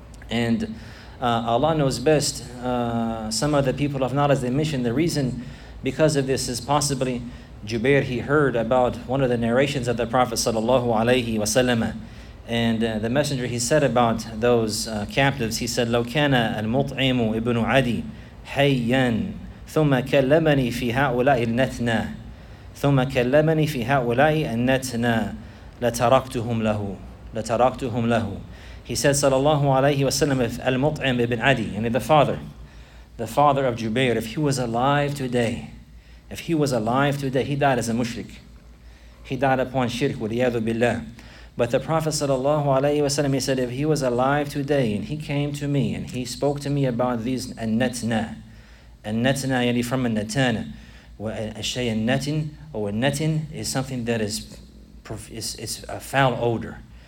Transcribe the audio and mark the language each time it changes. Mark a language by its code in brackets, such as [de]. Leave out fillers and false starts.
[en] And Allah knows best. Some of the people of knowledge, they mentioned the reason because of this is possibly Jubair, he heard about one of the narrations of the Prophet sallallahu alayhi wasallam, And the messenger, he said about those captives, he said, [ar] لَوْ كَانَ الْمُطْعِمُ إِبْنُ عَدِي حَيًّا ثُمَّ كَلَّمَنِي فِي هَؤُلَاءِ النَّتْنَا ثُمَّ كَلَّمَنِي فِي هَؤُلَاءِ النَّتْنَا لَتَرَكْتُهُمْ لَهُ. [en] He said, sallallahu alayhi wasallam, if al-Mut'im ibn Adi, and the father of Jubair, if he was alive today, he died as a mushrik. He died upon shirk, waliyadu billah. But the Prophet sallallahu alayhi wasallam, he said, if he was alive today, and he came to me, and he spoke to me about these al-Natna, yani from al-Natana, al-Shay al-Natin, or al-Natin is something that is a foul odor.